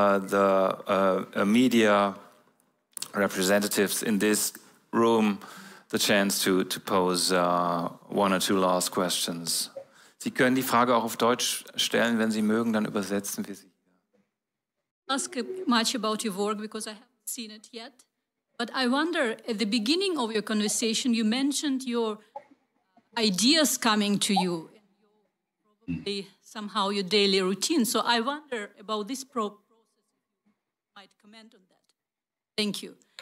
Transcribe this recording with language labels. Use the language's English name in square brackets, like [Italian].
[English] Let's give the media representatives in this room the chance to pose one or two last questions. [German] Sie können die Frage auch auf Deutsch stellen, wenn Sie mögen, dann übersetzen wir sie. [English] Ask much about your work because I haven't seen it yet. But I wonder, at the beginning of your conversation, you mentioned your ideas coming to you, probably somehow your daily routine. So I wonder about this process. You might comment on that. Thank you.